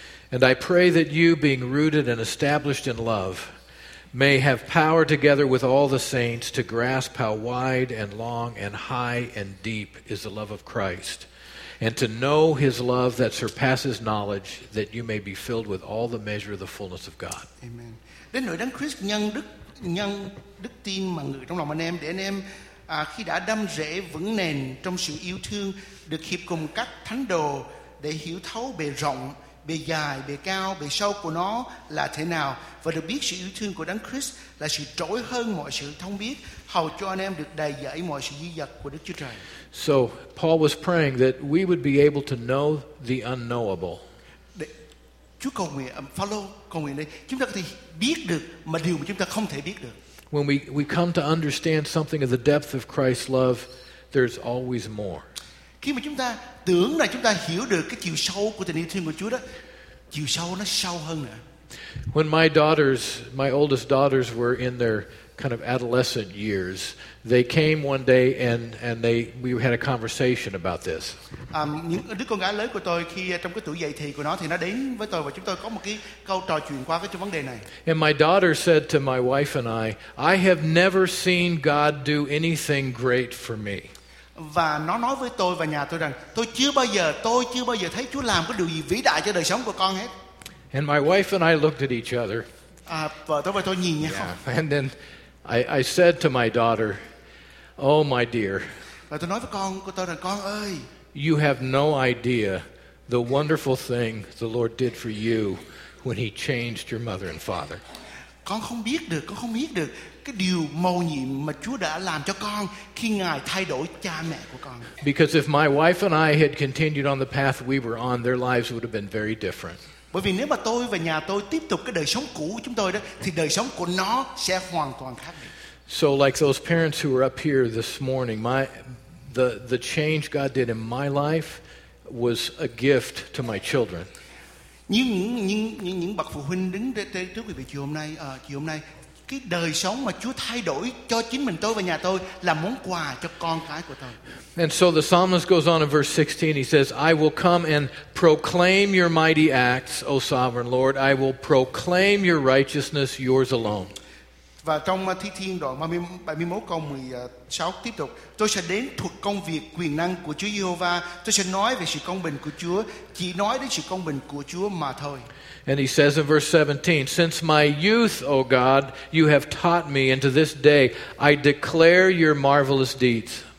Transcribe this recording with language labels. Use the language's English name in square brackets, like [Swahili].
[English] And I pray that you, being rooted and established in love, may have power together with all the saints to grasp how wide and long and high and deep is the love of Christ, and to know his love that surpasses knowledge, that you may be filled with all the measure of the fullness of God. Amen. [Vietnamese] Đến nỗi đấng Christ nhân đức tin mà ngự trong lòng anh em, để anh em khi đã đâm rễ vững nền trong sự yêu thương, được hiệp cùng các thánh đồ để hiểu thấu bề rộng, bề dài, bề cao, bề sâu của nó là thế nào, và được biết sự yêu thương của đấng Christ là sự trỗi hơn mọi sự thông biết, hầu cho anh em được đầy dẫy mọi sự dư dật của Đức Chúa Trời. [English] So Paul was praying that we would be able to know the unknowable. [Vietnamese] Chúa cầu nguyện, [English] follow [Vietnamese] cầu nguyện đây, chúng ta có thể biết được mà điều mà chúng ta không thể biết được. [English] When we come to understand something of the depth of Christ's love, there's always more. [Vietnamese] Khi mà chúng ta tưởng là chúng ta hiểu được cái chiều sâu của tình yêu thương của Chúa đó, chiều sâu nó sâu hơn nữa. [English] When my oldest daughters were in their kind of adolescent years, they came one day and we had a conversation about this. [Vietnamese] Những đứa con gái lớn của tôi khi trong cái tuổi dậy thì của nó thì nó đến với tôi và chúng tôi có một cái câu trò chuyện qua cái vấn đề này. [English] And my daughter said to my wife and I have never seen God do anything great for me. [Vietnamese] Và nó nói với tôi và nhà tôi rằng tôi chưa bao giờ thấy Chúa làm cái điều gì vĩ đại cho đời sống của con hết. [English] And my wife and I looked at each other. [Vietnamese] Vợ tôi nhìn nhau. [English] Yeah. And then I said to my daughter, "Oh my dear." [Vietnamese] Và tôi nói với con của tôi rằng, con ơi. [English] You have no idea the wonderful thing the Lord did for you when He changed your mother and father. [Vietnamese] Con không biết được cái điều mầu nhiệm mà Chúa đã làm cho con khi Ngài thay đổi cha mẹ của con. [English] Because if my wife and I had continued on the path we were on, their lives would have been very different. [Vietnamese] Bởi vì nếu mà tôi và nhà tôi tiếp tục cái đời sống cũ của chúng tôi đó, thì đời sống của nó sẽ hoàn toàn khác biệt. [English] So like those parents who were up here this morning, the change God did in my life was a gift to my children. [Vietnamese] Những bậc phụ huynh đứng trước quý vị chiều hôm nay, cái đời sống mà Chúa thay đổi cho chính mình tôi và nhà tôi là món quà cho con cái của tôi. [English] And so the psalmist goes on in verse 16. He says, "I will come and proclaim your mighty acts, O sovereign Lord. I will proclaim your righteousness, yours alone." [Vietnamese] Và trong Thi Thiên đoạn 31 câu 16 tiếp tục, tôi sẽ đến thuật công việc quyền năng của Chúa Giê-hô-va. Tôi sẽ nói về sự công bình của Chúa, chỉ nói đến sự công bình của Chúa mà thôi. [English] And he says in verse 17, "Since my youth, O God, you have taught me, and to this day I declare your marvelous deeds."